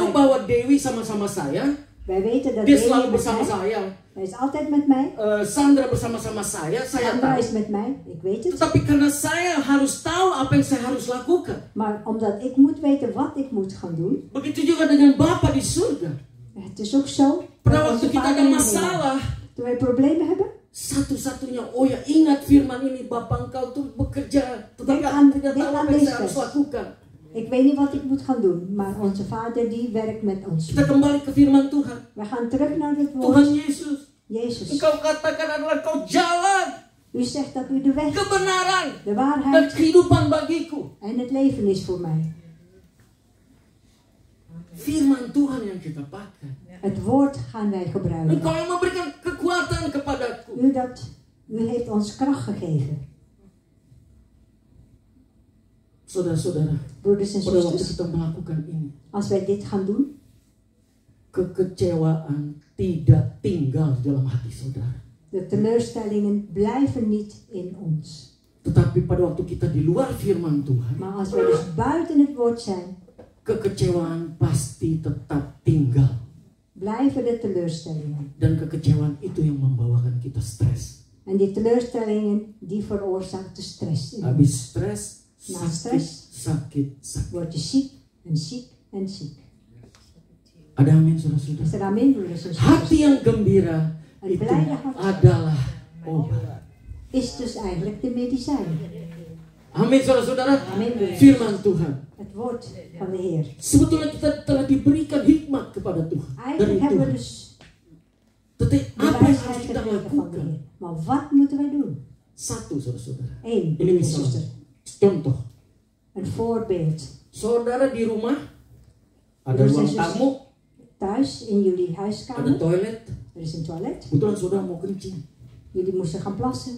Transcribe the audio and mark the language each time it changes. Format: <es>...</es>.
<id>Tahu bahwa Dewi sama-sama saya.</id> <nl>Wij weten dat</nl> <id>dia selalu bersama saya.</id> <nl>Hij is altijd met mij.</nl> <id>Sandra bersama-sama saya.</id> <nl>Sandra is met mij. Ik weet het.</nl> <id>Tetapi karena saya harus tahu apa yang saya harus lakukan.</id> <nl>Maar omdat ik moet weten wat ik moet gaan doen.</nl> <id>Begitu juga dengan Bapa di surga.</id> <nl>Het is ook zo.</nl> <id>Pada waktu kita ada masalah.</id> <nl>Toen wij problemen hebben.</nl> <id>Satu-satunya, oh ya, ingat firman ini, Bapa engkau tuh bekerja, tetapi aku tidak tahu apa yang saya harus lakukan.</id> <nl>Ik weet niet wat ik moet gaan doen, maar onze Vader die werkt met ons.</nl> <id>Kita kembali ke firman Tuhan.</id> <nl>We gaan terug naar het woord.</nl> <id>Tuhan Yesus.</id> <nl>Yesus.</nl> <id>Engkau katakan adalah kau jalan.</id> <nl>U zegt dat u de weg.</nl> <id>Kebenaran.</id> <nl>De waarheid.</nl> <id>Dan kehidupan bagiku.</id> <nl>En het leven is voor mij.</nl> <id>Firman Tuhan yang kita pakai.</id> <nl>Het woord gaan wij gebruiken.</nl> <id>Engkau yang memberikan kekuatan kepadaku.</id> <nl>U heeft ons kracht gegeven.</nl> <id>Saudara-saudara.</id> <nl>Broeders en zusters.</nl> <id>Pada waktu kita melakukan ini.</id> <nl>Als wij dit gaan doen.</nl> <id>Kekecewaan tidak tinggal dalam hati saudara.</id> <nl>De teleurstellingen blijven niet in ons.</nl> <id>Tetapi pada waktu kita di luar firman Tuhan.</id> <nl>Maar als wij dus buiten het woord zijn.</nl> <id>Kekecewaan pasti tetap tinggal.</id> <nl>Blijven de teleurstellingen.</nl> <id>Dan kekecewaan itu yang membawakan kita stres.</id> <nl>En die teleurstellingen die veroorzaakt de stress.</nl> <id>Habis stres, sakit.</id> <nl>Word je ziek en ziek en ziek.</nl> <id>Ada amin, saudara-saudara.</id> <nl>Is er amin,</nl> <id>saudara-saudara? Hati yang gembira itu adalah obat.</id> <nl>Is dus eigenlijk de medicijn.</nl> <id>Amin, saudara-saudara. Amin, firman Tuhan.</id> <nl>Het woord van de Heer.</nl> <id>Sebetulnya kita telah diberikan hikmat kepada Tuhan.</id> <nl>Eigenlijk hebben we dus.</nl> <id>Tetapi apa yang harus kita lakukan?</id> <nl>Maar wat moeten wij doen?</nl> <id>Satu, saudara-saudara.</id> <nl>Eén.</nl> <id>Ini misalnya. Contoh.</id> <nl>Een voorbeeld.</nl> <id>Saudara di rumah. Ada ruang tamu.</id> <nl>Thuis in jullie huiskamer.</nl> <id>Ada toilet.</id> <nl>Er is een toilet.</nl> <id>Kebetulan saudara mau kencing.</id> <nl>Jullie moesten gaan plassen.</nl>